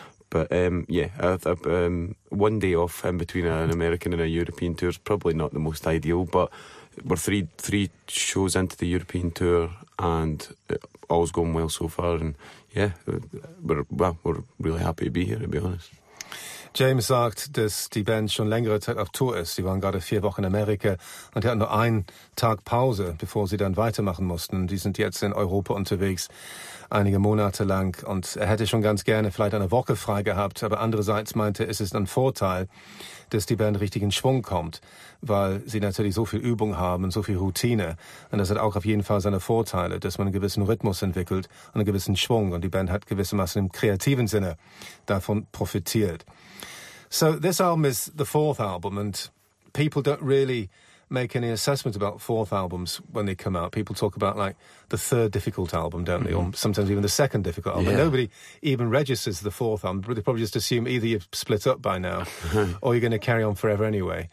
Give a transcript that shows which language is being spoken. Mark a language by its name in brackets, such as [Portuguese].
[English] But yeah, one day off in between an American and a European tour is probably not the most ideal. But we're three shows into the European tour, and all's going well so far. And yeah, we're really happy to be here, to be honest. [German] James sagt, dass die Band schon längere Zeit auf Tour ist. Sie waren gerade 4 Wochen in Amerika und die hatten nur einen Tag Pause, bevor sie dann weitermachen mussten. Die sind jetzt in Europa unterwegs, einige Monate lang. Und er hätte schon ganz gerne vielleicht eine Woche frei gehabt. Aber andererseits meinte, es ist ein Vorteil, dass die Band richtig in Schwung kommt, weil sie natürlich so viel Übung haben, so viel Routine. Und das hat auch auf jeden Fall seine Vorteile, dass man einen gewissen Rhythmus entwickelt und einen gewissen Schwung. Und die Band hat gewissermaßen im kreativen Sinne davon profitiert. [English] So this album is the fourth album, and people don't really make any assessment about fourth albums when they come out. People talk about like the third difficult album, don't they? Or sometimes even the second difficult album. Yeah. Nobody even registers the fourth album. They probably just assume either you've split up by now or you're going to carry on forever anyway.